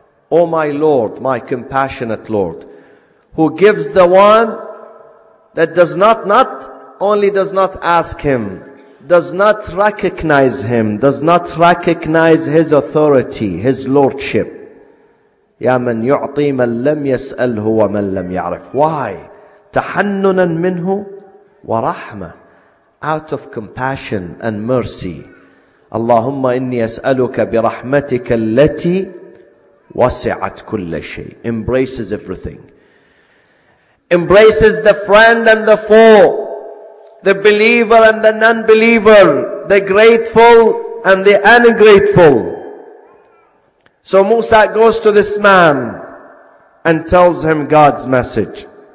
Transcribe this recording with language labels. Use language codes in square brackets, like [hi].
[en] Oh my Lord, my compassionate Lord, who gives the one that does not only does not ask Him, does not recognize Him, does not recognize His authority, His lordship. [ar] يَا مَنْ يُعْطِي مَنْ لَمْ يَسْأَلْهُ وَمَنْ لَمْ يَعْرِفْ. [en] Why? [ar] تَحَنُّنًا مِنْهُ وَرَحْمَةً. [en] Out of compassion and mercy. [ar] اللهم إني أسألك برحمتك التي وسعت كل شيء. [en] Embraces everything. Embraces the friend and the foe, the believer and the non-believer, the grateful and the ungrateful. So Musa goes to this man and tells him God's message.